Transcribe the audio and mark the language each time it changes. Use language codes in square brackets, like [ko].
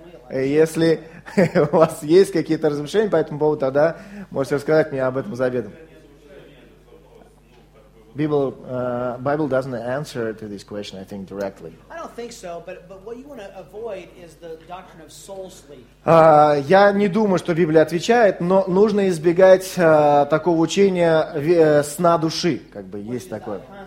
[ru] Если у вас есть какие-то размышления по этому поводу, тогда можете рассказать мне об этом за обедом. [en] Bible doesn't answer to this question, I think, directly. I don't think so, but what you want to avoid is the doctrine of soul sleep. [ru] Я не думаю, что Библия отвечает, но нужно избегать такого учения сна души, как бы есть такое.